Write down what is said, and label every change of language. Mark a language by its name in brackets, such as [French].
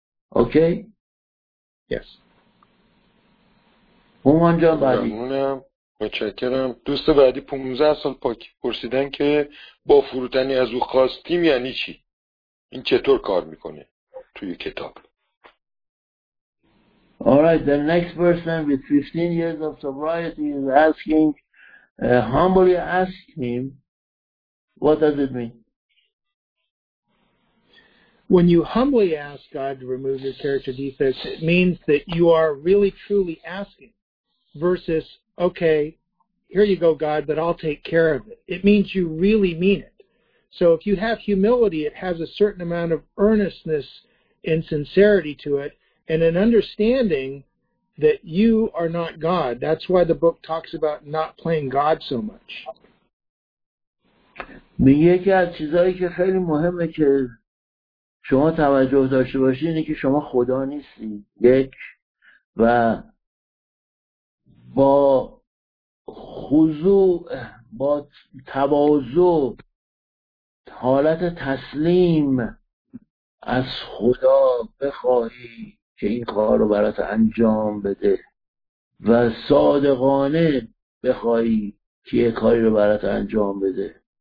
[English] Okay? Yes. [Persian] همون جا بعدی. ممنونم. متشکرم. دوست بعدی 15 سال پاک پرسیدن که با فروتنی از او خواستیم یعنی چی؟ این چطور کار میکنه توی کتاب؟ [English] All right, the next person with 15 years of sobriety is asking, humbly ask him, what does it mean? When you humbly ask God to remove your character defects, it means that you are really truly asking versus, okay, here you go, God, but I'll take care of it. It means you really mean it. So if you have humility, it has a certain amount of earnestness insincerity to it, and an understanding that you are not God. That's why the book talks about not playing God so much. [Persian] میگه که از چیزایی که خیلی مهمه که شما توجه داشته باشید اینه که شما خدا نیستید. یک، و با خضوع، با تواضع، حالت تسلیم از خدا بخواهی که این کار رو برات انجام بده و صادقانه بخواهی که یه کاری رو برات انجام بده.